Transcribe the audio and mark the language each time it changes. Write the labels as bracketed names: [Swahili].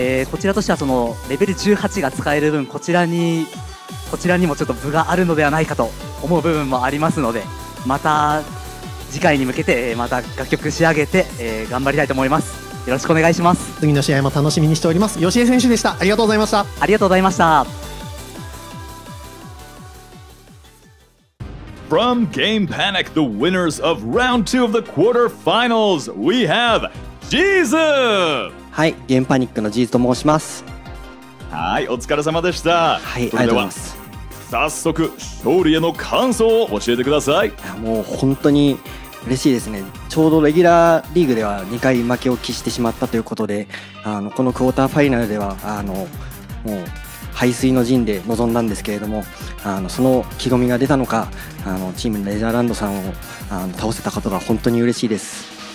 [Japanese] こちらとしてはそのレベル18が使える分、こちらにもちょっと分があるのではないかと思う部分もありますので、また次回に向けて、また楽曲仕上げて、頑張りたいと思います。よろしくお願いします。次の試合も楽しみにしております。吉江選手でした。ありがとうございました。ありがとうございました。 [English] From Game Panic, the winners of round 2 of the quarterfinals, we have Jizu。 [Japanese] はい、ゲームパニックの Jizu と申します。はい、お疲れ様でした。はい、ありがとうございます。早速勝利への感想を教えてください。もう本当に嬉しいですね。ちょうどレギュラーリーグでは2回負けを喫してしまったということで、このクォーターファイナルではもう背水の陣で臨んだんですけれども、その気込みが出たのか、チームネザーランドさんを倒せたことが本当に嬉しいです。